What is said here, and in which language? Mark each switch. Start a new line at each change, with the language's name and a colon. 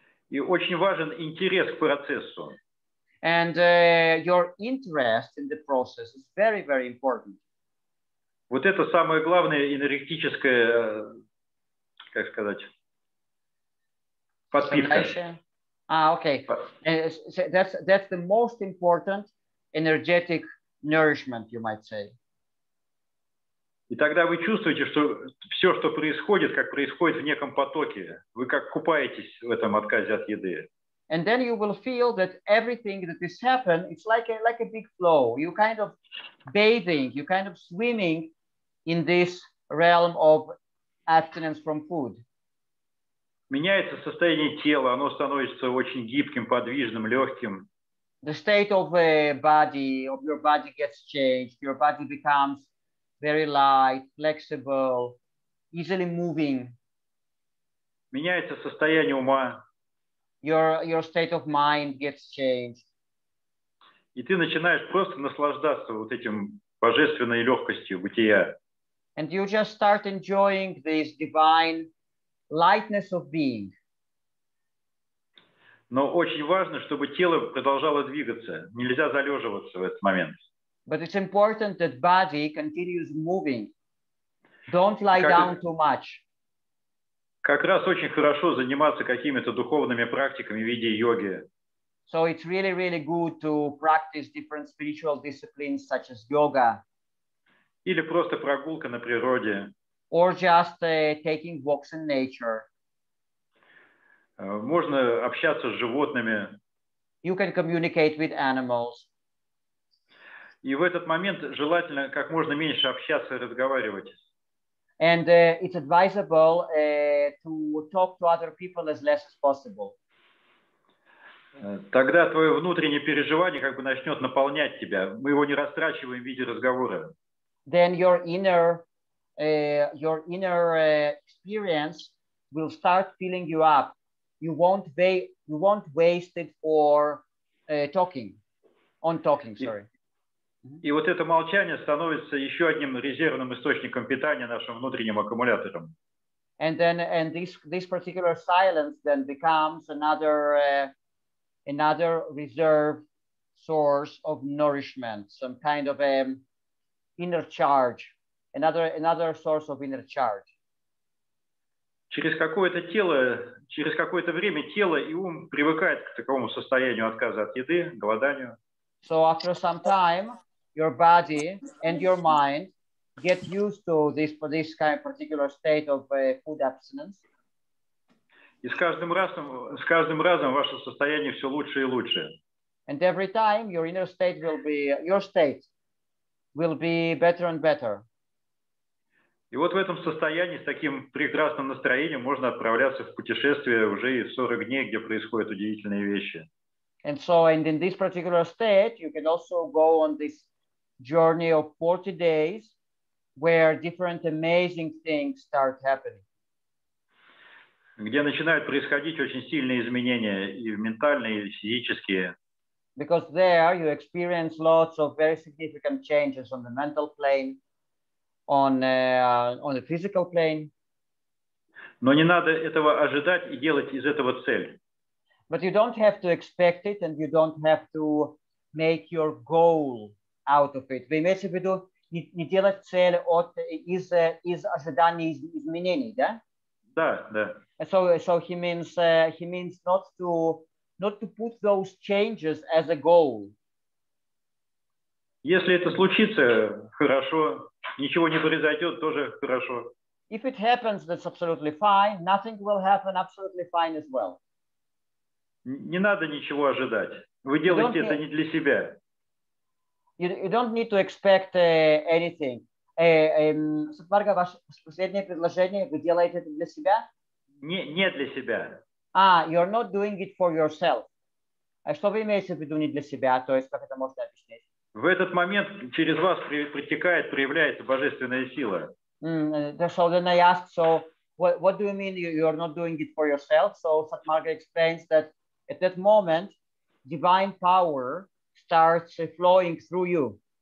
Russian: И очень важен интерес к процессу.
English: And your interest in the process is very, very important.
Russian: Вот это самое главное энергетическое, как сказать, подпитка.
English: Okay. So that's the most important energetic nourishment, you might say.
Russian: И тогда вы чувствуете, что все, что происходит, как происходит в неком потоке. Вы как купаетесь в этом отказе от еды.
English: And then you will feel that everything that is happening, it's like a big flow. You kind of bathing, you kind of swimming in this realm of abstinence from food.
Russian: Меняется состояние тела, оно становится очень гибким, подвижным, легким.
English: The state of the body, of your body gets changed. Your body becomes very light, flexible, easily moving.
Russian: Меняется состояние ума.
English: Your state of mind gets changed.
Russian: И ты начинаешь просто наслаждаться вот этим божественной легкостью бытия.
English: And you just start enjoying this divine lightness of being.
Russian: Но очень важно, чтобы тело продолжало двигаться. Нельзя залеживаться в этот момент.
English: But it's important that body continues moving. Don't lie down too much.
Russian: Как раз очень хорошо заниматься какими-то духовными практиками в виде йоги.
English: So it's really, really good to practice different spiritual disciplines, such as yoga.
Russian: Или просто прогулка на природе.
English: Or just taking walks in nature.
Russian: Можно общаться с животными.
English: You can communicate with animals.
Russian: И в этот момент желательно как можно меньше общаться и разговаривать.
English: And it's advisable to talk to other people as less as possible.
Russian: Тогда твое внутреннее переживание как бы начнет наполнять тебя. Мы его не растрачиваем в виде разговора.
English: Then your inner experience will start filling you up. You won't waste it for talking. On talking, sorry.
Russian: И вот это молчание становится еще одним резервным источником питания нашим внутренним аккумулятором.
English: And this particular silence then becomes another reserve source of nourishment, some kind of inner charge, another source of inner charge.
Russian: Через какое-то время тело и ум привыкают к такому состоянию отказа от еды, голоданию.
English: So after some time, your body and your mind get used to this kind of particular state of food abstinence.
Russian: И с каждым разом ваше состояние все лучше и лучше.
English: And every time your inner state will be your state will be better and better.
Russian: И вот в этом состоянии, с таким прекрасным настроением, можно отправляться в путешествие уже и 40 дней, где происходят удивительные вещи.
English: And so, and in this particular state, you can also go on this journey of 40 days, where different amazing things start happening.
Russian: Где начинают происходить очень сильные изменения и ментальные, и физические.
English: Because there you experience lots of very significant changes on the mental plane, on the physical plane.
Russian: Но не надо этого ожидать и делать из этого цель.
English: But you don't have to expect it, and you don't have to make your goal out of it.
Russian: Вы имеете в виду не делать цель от из ожидания изменений, да? Да, да.
English: So he means not to put those changes as a goal.
Russian: Если это случится, хорошо. Ничего не произойдет, тоже хорошо.
English: If it happens, that's absolutely fine. Nothing will happen, absolutely fine as well.
Russian: Не надо ничего ожидать. Вы делаете это не для себя.
English: You don't need to expect anything.
Russian: Сатмарга, ваше последнее предложение, вы делаете это для себя? Не для себя.
English: You're not doing it for yourself.
Russian: А что вы имеете в виду не для себя? То есть, как это можно объяснить? В этот момент через вас притекает, проявляется божественная сила.
English: So then I ask, so what do you mean you're not doing it for yourself? So Сатмарга explains that at that moment, divine power starts flowing through you.